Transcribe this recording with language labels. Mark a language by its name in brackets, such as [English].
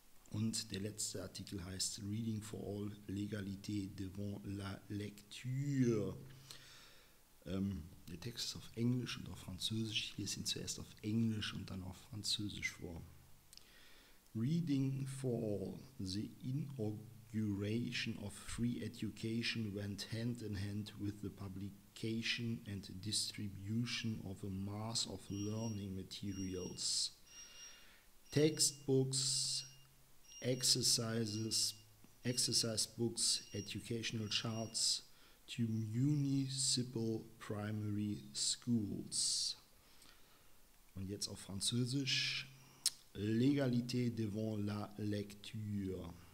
[German] Und der letzte Artikel heißt [English] Reading for All, [French] Legalité devant la lecture. [German] Der Text ist auf Englisch und auf Französisch. Ich lese ihn zuerst auf Englisch und dann auf Französisch vor. [English] Reading for All, the inauguration of free education went hand in hand with the publication and distribution of a mass of learning materials, textbooks, exercises, exercise books, educational charts to municipal primary schools. [German] Und jetzt auf Französisch: [French] Légalité devant la lecture.